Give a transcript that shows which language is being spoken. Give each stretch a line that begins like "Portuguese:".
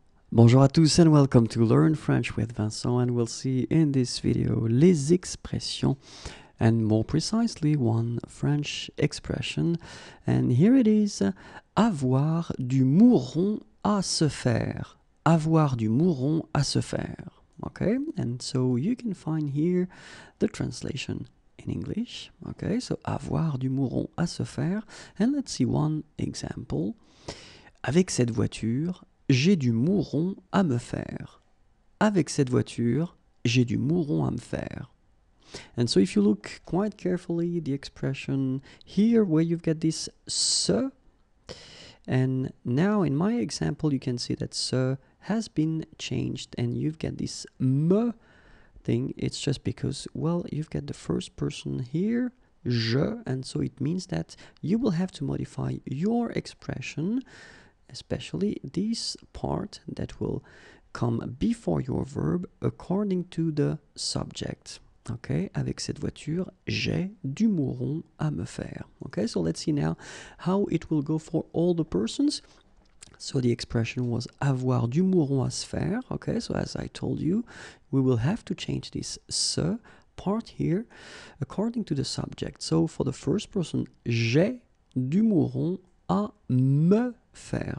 French: Bonjour à tous
English: and welcome to Learn French with Vincent, and we'll see in this video
French: les expressions
English: and more precisely one French expression. And here it is,
French: avoir du mouron à se faire. Avoir du mouron à se faire.
English: Okay, and so you can find here the translation in English. Okay, so
French: avoir du mouron à se faire.
English: And let's see one example.
French: Avec cette voiture, j'ai du mouron à me faire. Avec cette voiture, j'ai du mouron à me faire.
English: And so if you look quite carefully the expression here where you've got this se, and now in my example you can see that se has been changed and you've got this me thing. It's just because, well, you've got the first person here, je, and so it means that you will have to modify your expression, especially this part that will come before your verb according to the subject.
French: Okay, avec cette voiture, j'ai du mouron à me faire.
English: Okay, so let's see now how it will go for all the persons. So the expression was
French: avoir du mouron à se faire.
English: Okay, so as I told you, we will have to change this se part here according to the subject. So for the first person,
French: j'ai du mouron à me faire.